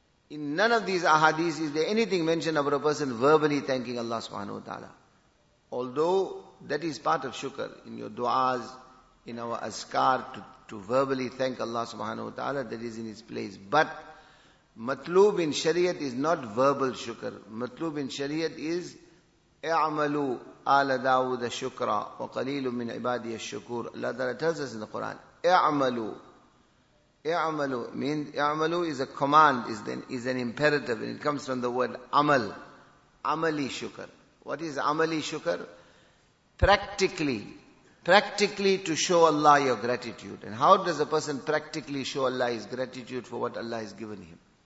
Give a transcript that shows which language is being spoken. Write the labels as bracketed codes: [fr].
[en] In none of these ahadith is there anything mentioned about a person verbally thanking Allah subhanahu wa ta'ala. Although that is part of shukr, in your du'as, in our azkar, to verbally thank Allah subhanahu wa ta'ala, that is in its place. But Matloob in Shariat is not verbal shukr. Matloob in Shariat is [ar] اعملوا آل داود شكرا وقليل من عبادي الشكور. [en] Allah Ta'ala tells us in the Quran, اعملوا. اعملوا means, اعملوا is a command, is an imperative, and it comes from the word amal. Amali shukr. What is amali shukr? Practically to show Allah your gratitude. And how does a person practically show Allah his gratitude for what Allah has given him?